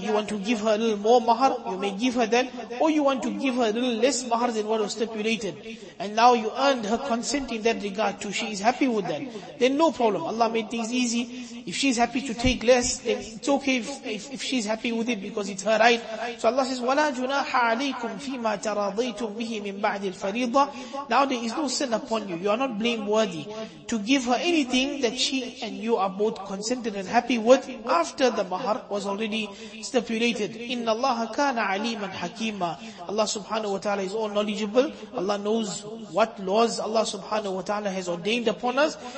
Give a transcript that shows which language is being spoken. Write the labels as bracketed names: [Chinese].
[English] You want to give her a little more mahar, you may give her that, or you want to give her a little less mahar than what was stipulated. And now you earned her consent in that regard too. She is happy with that. Then no problem. Allah made things easy. If she's happy to take less, then it's okay if she's happy with it because it's her right. So Allah says, [Arabic] وَلَا جُنَاحَ عَلَيْكُمْ فِي مَا تَرَضَيْتُمْ بِهِ مِنْ بَعْدِ الْفَرِيضَةِ. [English] Now there is no sin upon you. You are not blameworthy to give her anything that she and you are both consented and happy with after the mahar was already stipulated. [Arabic] إِنَّ اللَّهَ كَانَ عَلِيمًا حَكِيمًا. [English] Allah subhanahu wa ta'ala is all knowledgeable. Allah knows what laws Allah subhanahu wa ta'ala has ordained upon us.